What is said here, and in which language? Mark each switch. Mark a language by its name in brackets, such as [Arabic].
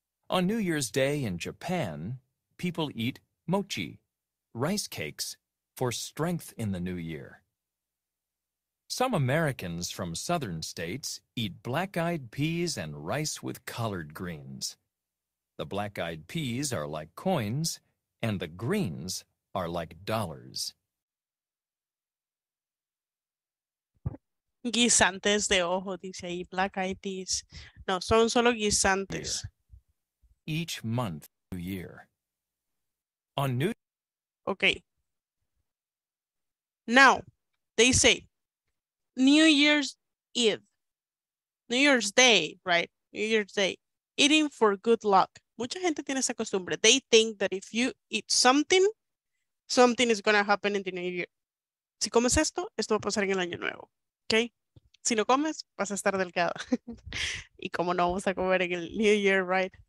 [English] On New Year's Day in Japan, people eat mochi, rice cakes, for strength in the new year. Some Americans from southern states eat black-eyed peas and rice with collard greens. The black-eyed peas are like coins, and the greens are like dollars. [Spanish] Guisantes de ojo, dice ahí, [English] black-eyed peas. [Spanish] No, son solo guisantes. [English] Each month, new year. On New Year's. Okay. Now, they say New Year's Eve. New Year's Day, right? New Year's Day. Eating for good luck. [Spanish] Mucha gente tiene esa costumbre. [English] They think that if you eat something, something is going to happen in the new year. [Spanish] Si comes esto, esto va a pasar en el año nuevo. Okay? Si no comes, vas a estar delgado. Y como no vamos a comer en el New Year, [English] right?